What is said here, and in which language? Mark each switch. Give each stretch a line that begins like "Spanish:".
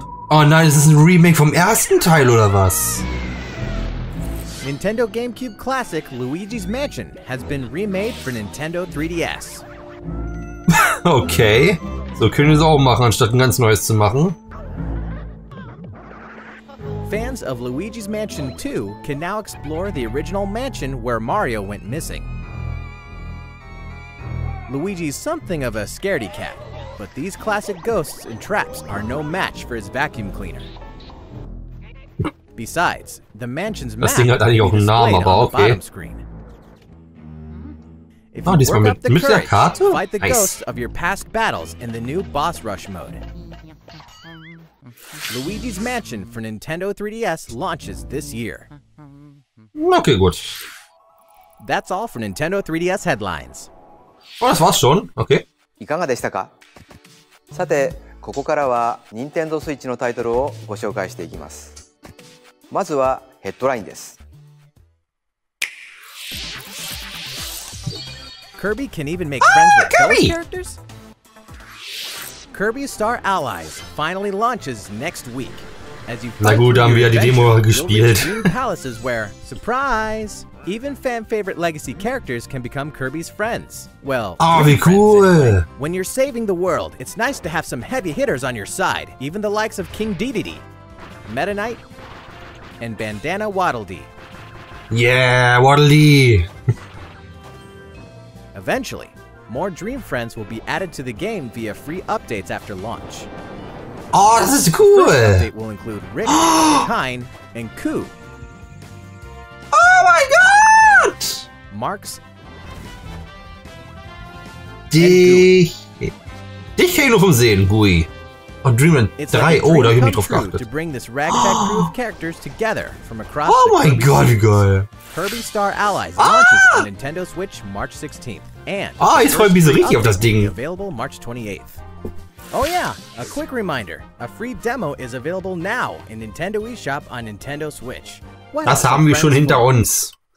German: Oh nein, ist das ein Remake vom ersten Teil oder was?
English: Nintendo GameCube Classic Luigi's Mansion has been remade for Nintendo 3DS. Okay.
German: So können wir es auch machen, anstatt ein ganz neues zu machen.
English: Fans of Luigi's Mansion 2 can now explore the original mansion where Mario went missing. Luigi's something of a scaredy cat, but these classic ghosts and traps are no match for his vacuum cleaner. Besides, the mansion's map will be displayed on the bottom screen. If you work up the courage, fight the ghosts of your past battles in the new boss rush mode. Luigi's Mansion for Nintendo 3DS launches this year.
German: Okay, gut.
English: That's all for Nintendo 3DS headlines.
German: Oh, das war's schon. Okay.
Japanese: いかがでしたか? さて、ここからは Nintendo Switch のタイトルをご紹介していきます。まずはヘッドラインです。
English: Kirby can even make friends with Kirby! Those characters? Kirby Star Allies finally launches next week. As you
German: Na gut, haben wir ja die Demo gespielt.
English: Palaces where, surprise, even fan favorite legacy characters can become Kirby's friends. Well,
German: wie cool.
English: Anyway. When you're saving the world, it's nice to have some heavy hitters on your side, even the likes of King Dedede, Meta Knight, and Bandana Waddledee. Yeah, Waddledee. Eventually, more Dream Friends will be added to the game via free updates after launch. Oh, this is cool! The first update will include Rick, Kine, and Koo. Oh my god! Marks. Dich Halo vom Sehen, Gui.
German: Und Dream Friends 3, da hab ich nicht drauf geachtet.
English: To bring this ragtag crew of characters together from across the universe. Oh my god,
German: wie geil!
English: Kirby Star Allies launches on Nintendo Switch March 16th. And
German: jetzt freue ich mich so richtig auf das Ding.
English: Available March 28th. Oh yeah, a quick reminder. A free demo is available now in Nintendo eShop on Nintendo Switch.
German: What das haben wir schon hinter uns.